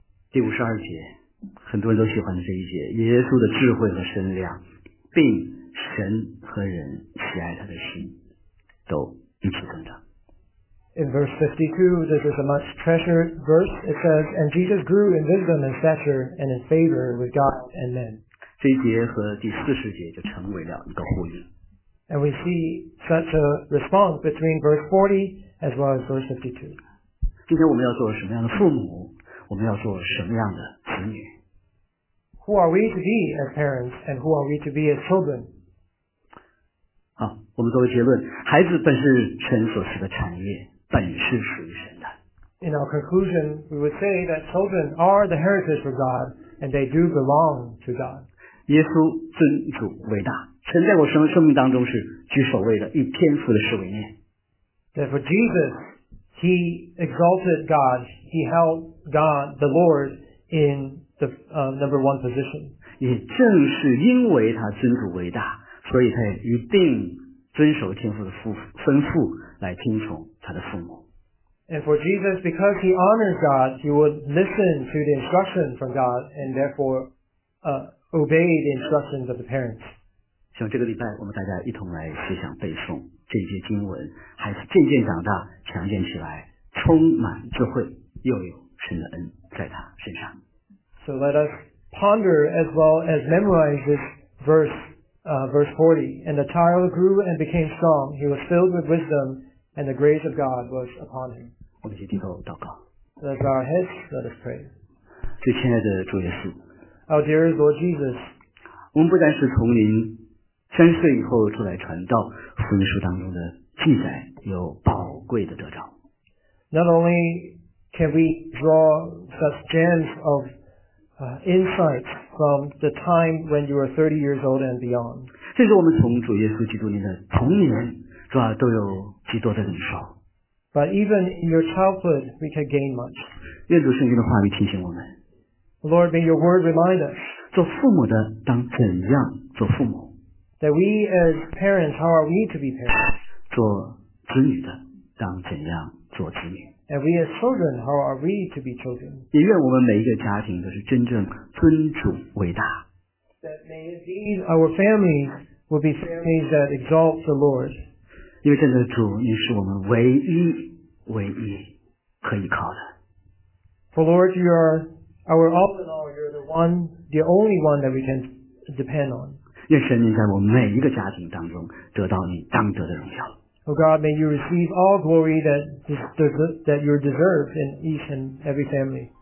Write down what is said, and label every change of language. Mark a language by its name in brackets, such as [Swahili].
[Chinese] 第五十二节，很多人都喜欢的这一节，耶稣的智慧和身量，并神和人喜爱他的心，都一起增长。 [English] In verse 52, this is a much treasured verse. It says, "And Jesus grew in wisdom and stature and in favor with God and men." [Chinese] 这一节和第四十节就成为了一个呼应。 [English] And we see such a response between verse 40 as well as verse 52. [Chinese] 今天我们要做什么样的父母？我们要做什么样的子女？ [English] Who are we to be as parents and who are we to be as children? [Chinese] 好，我们作为结论，孩子本是神所赐的产业，本是属于神的。 [English] In our conclusion, we would say that children are the heritage of God and they do belong to God. [Chinese] 耶稣尊主伟大。神在我生命当中是居首位的，以天父的事为念。 [English] Therefore, Jesus, he exalted God, he held God, the Lord, in the number one position. [Chinese] 也正是因为他尊主伟大，所以他也一定遵守天父的吩咐，来听从他的父母。 [English] And for Jesus, because he honors God, he would listen to the instruction from God and therefore obey the instructions of the parents. [Chinese] 希望这个礼拜我们大家一同来思想背诵这些经文，孩子渐渐长大，强健起来，充满智慧，又有神的恩在他身上。 [English] So let us ponder as well as memorize this verse 40. And the child grew and became strong. He was filled with wisdom, and the grace of God was upon him. [Chinese] 我们先低头祷告。 [English] Let us bow our heads. Let us pray. [Chinese] 最亲爱的主耶稣。 [English] Our dear Lord Jesus. [Chinese] 我们不但是从您三岁以后出来传道，福音书当中的记载有宝贵的得着。 [English] Not only can we draw such gems of insight from the time when you were 30 years old and beyond. [Chinese] 甚至我们从主耶稣基督您的童年，主啊都有极多的领受。 [English] But even in your childhood, we can gain much. [Chinese] 愿主圣经的话语提醒我们。 [English] Lord, may your word remind us. [Chinese] 做父母的当怎样做父母？ [English] That we as parents, how are we to be parents? [Chinese] 做子女的当怎样做子女？ [English] And we as children, how are we to be children? [Chinese] 也愿我们每一个家庭都是真正尊主伟大。 [English] That may indeed our families will be families that exalt the Lord. [Chinese] 因为真的主，你是我们唯一唯一可依靠的。 [English] For Lord, you are our all in all. You're the one, the only one that we can depend on. [Chinese] 愿神您在我们每一个家庭当中得到你当得的荣耀。 [English] Oh God, may you receive all glory that you deserve in each and every family.